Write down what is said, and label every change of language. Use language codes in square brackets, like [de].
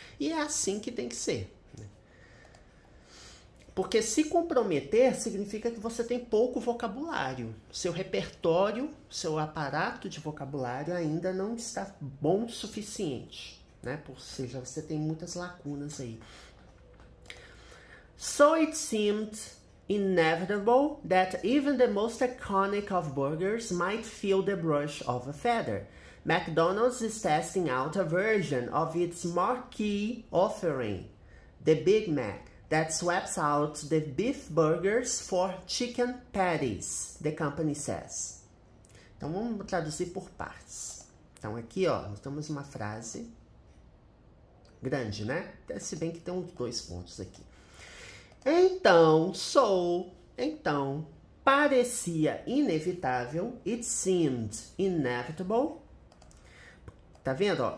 [pt] E é assim que tem que ser. Porque se comprometer significa que você tem pouco vocabulário. Seu repertório, seu aparato de vocabulário ainda não está bom o suficiente, né? Ou seja, você tem muitas lacunas aí. [en] So it seemed inevitable that even the most iconic of burgers might feel the brush of a feather. McDonald's is testing out a version of its marquee offering, the Big Mac. That swaps out the beef burgers for chicken patties, the company says. [pt] Então vamos traduzir por partes. Então aqui, ó, temos uma frase grande, né? Se bem que tem uns dois pontos aqui. Então, parecia inevitável, [en] it seemed inevitable. [pt] Tá vendo, ó?